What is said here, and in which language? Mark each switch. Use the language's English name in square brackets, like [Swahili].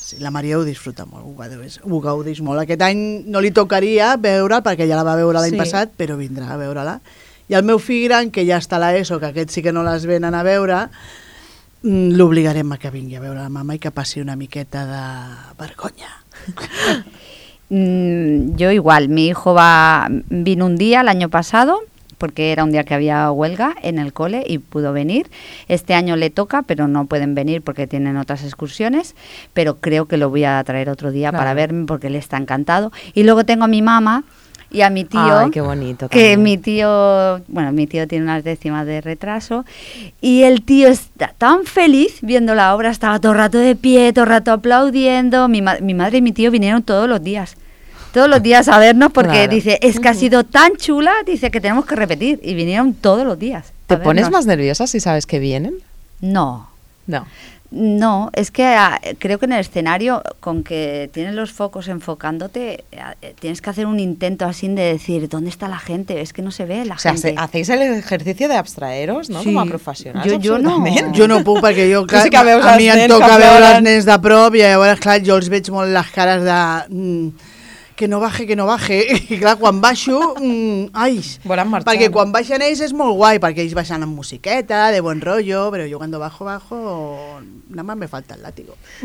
[Catalan] Sí, la Maria ho disfruta molt, ho gaudeix molt. Aquest any no li tocaria veure'l, perquè ja la va veure l'any passat, però vindrà a veure-la. I el meu fill gran, que ja està a l'ESO, que aquest sí que no les venen a veure, l'obligarem a que vingui a veure la mama i que passi una miqueta de vergonya. [Spanish] Yo igual, mi hijo vino un día el año pasado, porque era un día que había huelga en el cole y pudo venir. Este año le toca, pero no pueden venir porque tienen otras excursiones, pero creo que lo voy a traer otro día para verme porque le está encantado. Y luego tengo a mi mamá y a mi tío. Ay, qué bonito. Que también. Mi tío tiene unas décimas de retraso y el tío está tan feliz viendo la obra, estaba todo el rato de pie, todo el rato aplaudiendo. Mi madre y mi tío vinieron todos los días a vernos porque dice, es que ha sido tan chula, dice que tenemos que repetir y vinieron todos los días. ¿Te pones más nerviosa si sabes que vienen? No. No. No, es que creo que en el escenario, con que tienes los focos enfocándote, tienes que hacer un intento así de decir, ¿dónde está la gente? Es que no se ve la gente. O sea, hacéis el ejercicio de abstraeros, ¿no? Sí. Como a profesional. Yo no [Catalan] puc, perquè jo a mi em toca veure els nens de prop i llavors, clar, jo els veig molt les cares de... [Spanish] Que no baje. [Catalan] I clar, quan baixo... ai, volen marxar. Perquè quan baixen ells és molt guai, perquè ells baixen amb musiqueta, de bon rotllo, però jo quan [Spanish] bajo, nada más me falta el látigo.